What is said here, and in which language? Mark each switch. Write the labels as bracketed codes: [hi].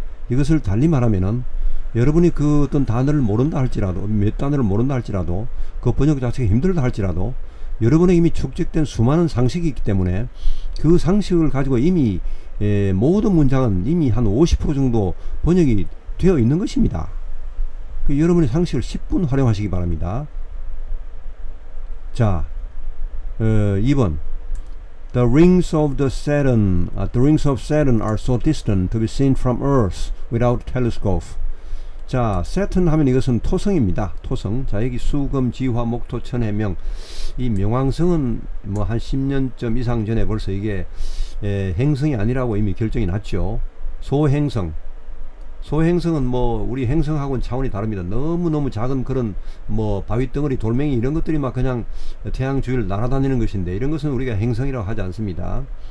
[ko] 이것을 달리 말하면은 여러분이 그 어떤 단어를 모른다 할지라도 몇 단어를 모른다 할지라도 그 번역 자체가 힘들다 할지라도 여러분의 이미 축적된 수많은 상식이 있기 때문에 그 상식을 가지고 이미 모든 문장은 이미 한 50% 정도 번역이 되어 있는 것입니다. 여러분의 상식을 10분 활용하시기 바랍니다. 자, 2번 [en] The rings of the Saturn, the rings of Saturn are so distant to be seen from Earth without telescope. [ko] 자, Saturn 하면 이것은 토성입니다. 토성. 자, 여기 수금, 지화, 목토, 천해명. 이 명왕성은 뭐 한 10년쯤 이상 전에 벌써 이게 행성이 아니라고 이미 결정이 났죠. 소행성. 소행성은 뭐 우리 행성하고는 차원이 다릅니다. 너무너무 작은 그런 뭐 바위덩어리, 돌멩이 이런 것들이 막 그냥 태양 주위를 날아다니는 것인데 이런 것은 우리가 행성이라고 하지 않습니다.